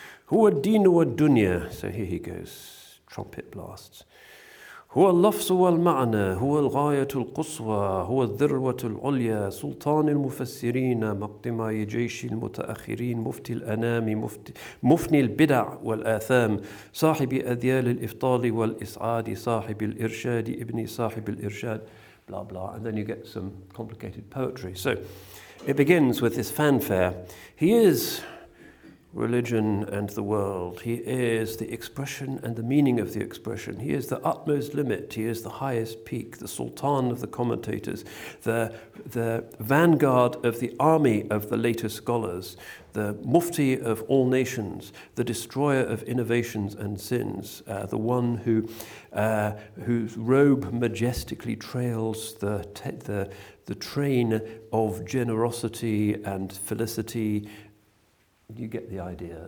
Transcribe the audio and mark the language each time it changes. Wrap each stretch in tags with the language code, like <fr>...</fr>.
<ar>Huwa dinu ad-dunya.</ar> <en>So here he goes, trumpet blasts.</en> <ar>هو اللفظ والمعنى هو الغاية القصوى هو الذروة العليا سلطان المفسرين مقدم جيش المتأخرين مفتي الأنام مفني البدع والآثام صاحب أذيال الإفطال والإسعاد صاحب الإرشاد ابن صاحب الإرشاد</ar> <en>blah blah. And then you get some complicated poetry. So it begins with this fanfare. He is religion and the world. He is the expression and the meaning of the expression. He is the utmost limit. He is the highest peak, the sultan of the commentators, the vanguard of the army of the later scholars, the mufti of all nations, the destroyer of innovations and sins, the one who whose robe majestically trails the train of generosity and felicity. You get the idea.</en>